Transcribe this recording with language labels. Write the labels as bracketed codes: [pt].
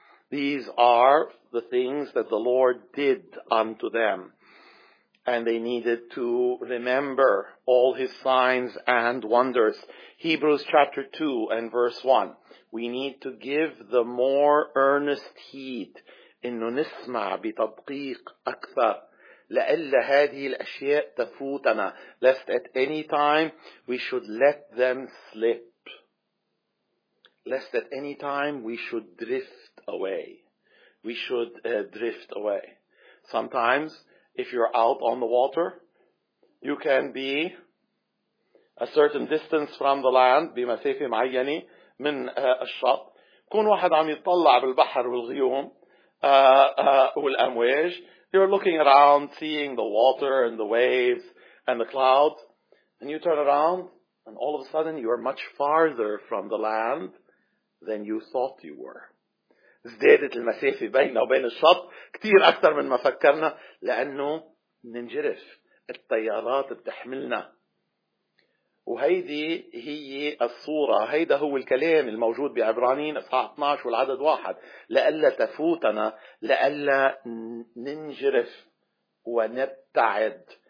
[en] These are the things that the Lord did unto them. and they needed to remember all his signs and wonders. Hebrews chapter 2 and verse 1. We need to give the more earnest heed. [ar] إنه نسمع بتدقيق أكثر لألا هذه الأشياء تفوتنا. [en] Lest at any time we should let them slip. Lest at any time we should drift away. We should drift away. Sometimes, if you're out on the water, you can be a certain distance from the land, [ar] بمسافة معينة من الشط. كون واحد عم يطلع بالبحر والغيوم والأمواج. [en] You're looking around, seeing the water and the waves and the clouds. And you turn around, and all of a sudden, you are much farther from the land than you thought you were. [ar] ازدادت المسافة بيننا وبين الشط كتير أكثر من ما فكرنا لأنه ننجرف التيارات بتحملنا. وهيدي هي الصورة، هيدا هو الكلام الموجود بعبرانيين إصحاح 12 والعدد 1، لألا تفوتنا، لألا ننجرف ونبتعد.